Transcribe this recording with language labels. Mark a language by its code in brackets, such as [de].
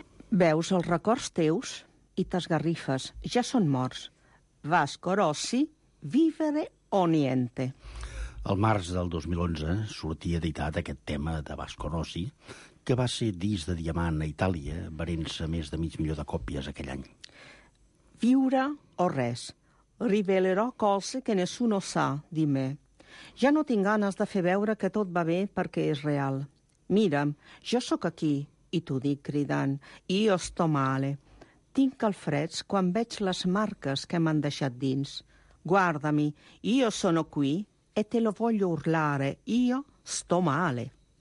[ca] veus els records teus i t'esgarrifes, ja són morts. [it] Vasco Rossi, Vivere o Niente. [ca] El març del 2011 sortia editat aquest tema de Vasco Rossi, que va ser disc de diamant a Itàlia, venent-se més de 500.000 de còpies aquell any. Viure o res. [it] Rivelerò cose que nessuno sa, dime. [ca] Ja no tinc ganes de fer veure que tot va bé perquè és real. Mira'm, jo sóc aquí. I t'ho dic cridant, [it] io sto male. [ca] Tinc el freds quan veig les marques que m'han deixat dins. [it] Guarda-mi, io sono qui e te lo voglio urlare, io sto male.